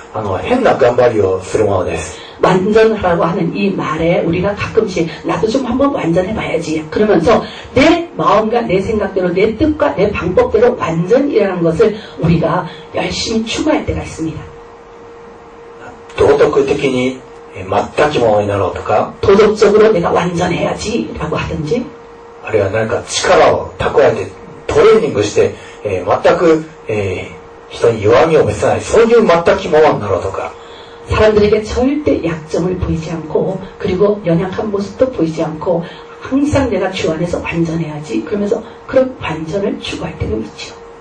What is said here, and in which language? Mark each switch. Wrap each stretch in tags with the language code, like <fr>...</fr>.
<ja>私たちは何かとですね、全くものになるということについて、変な頑張りをするものです。</ja> <ko>완전하라고 하는 이 말에 우리가 가끔씩 나도 좀 한번 완전해봐야지 그러면서 내 마음과 내 생각대로 내 뜻과 내 방법대로 완전이라는 것을 우리가 열심히 추구할 때가 있습니다. 도덕적으로 내가 완전해야지 라고 하든지 아니면 뭔가 힘을 탁구할때</ko> <ja>トレーニングして 全く人に弱みを見せないそういう全く希望になろうとか</ja> <ko>사람들에게 절대 약점을 보이지 않고 그리고 연약한 모습도 보이지 않고 항상 내가 주 안에서 완전해야지 그러면서 그런 완전을 추구할 때가 있죠.</ko>